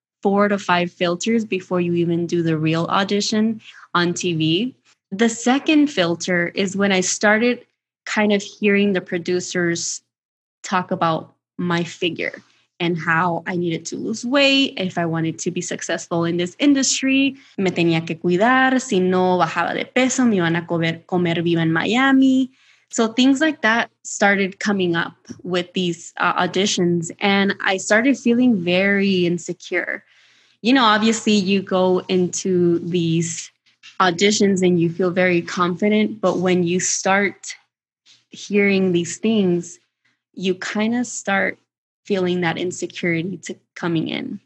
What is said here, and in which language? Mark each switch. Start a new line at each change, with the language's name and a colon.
English: four to five filters before you even do the real audition on TV. The second filter is when I started kind of hearing the producers talk about my figure and how I needed to lose weight if I wanted to be successful in this industry.
Spanish: Me tenía que cuidar. Si no bajaba de peso, me iban a comer viva en Miami.
English: So things like that started coming up with these auditions, and I started feeling very insecure. You know, obviously you go into these auditions and you feel very confident, but when you start hearing these things, you kind of start feeling that insecurity to coming in.